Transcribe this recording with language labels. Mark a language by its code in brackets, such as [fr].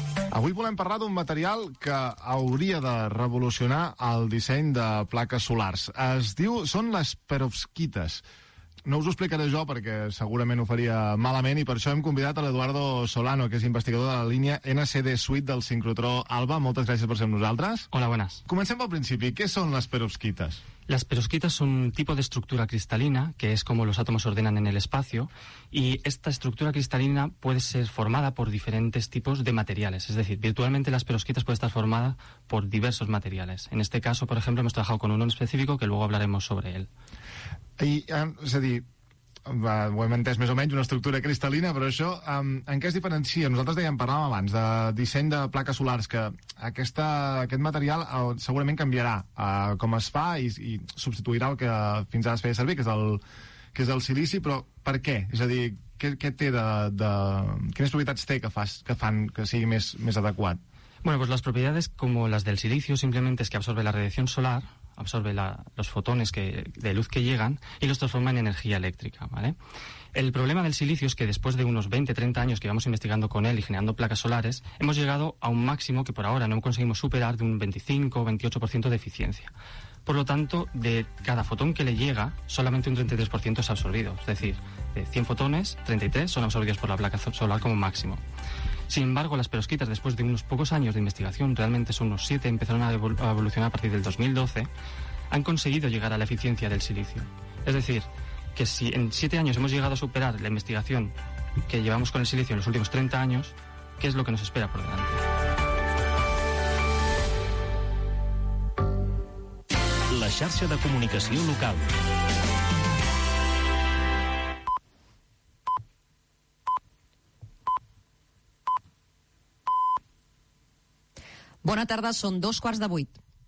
[ca] Avui volem parlar d'un material que hauria de revolucionar el disseny de plaques solars. Es diu, són les perovskites. No us ho explicaré jo perquè segurament ho faria malament i per això hem convidat a l'Eduardo Solano, que és investigador de la línia NCD Suite del sincrotró Alba. Moltes gràcies per ser amb nosaltres. [es] Hola, buenas. [ca] Comencem pel principi. Què són les perovskites? [es] Las perovskitas son un tipo de estructura cristalina, que es como los átomos se ordenan en el espacio, y esta estructura cristalina puede ser formada por diferentes tipos de materiales. Es decir, virtualmente las perovskitas pueden estar formadas por diversos materiales. En este caso, por ejemplo, hemos trabajado con uno en específico, que luego hablaremos sobre él. [ca] I, és a dir, ho hem entès més o menys, una estructura cristalina, però això, en què es diferencia? Nosaltres dèiem, parlàvem abans, de disseny de plaques solars, que aquest material segurament canviarà com es fa i substituirà el que fins ara es feia servir, que és el silici, però per què? És a dir, què té de quines propietats té que fan que sigui més adequat? [es] Bueno, pues las propiedades como las del silicio simplemente es que absorbe la radiación solar, absorbe los fotones de luz que llegan y los transforma en energía eléctrica, ¿vale? El problema del silicio es que después de unos 20, 30 años que vamos investigando con él y generando placas solares, hemos llegado a un máximo que por ahora no conseguimos superar de un 25, 28% de eficiencia. Por lo tanto, de cada fotón que le llega, solamente un 33% es absorbido. Es decir, de 100 fotones, 33 son absorbidos por la placa solar como máximo. Sin embargo, las perovskitas, después de unos pocos años de investigación, realmente son unos 7, empezaron a evolucionar a partir del 2012, han conseguido llegar a la eficiencia del silicio. Es decir, que si en 7 años hemos llegado a superar la investigación que llevamos con el silicio en los últimos 30 años, ¿qué es lo que nos espera por delante? [ca] La xarxa de comunicació local. Bona tarda, són 8:15.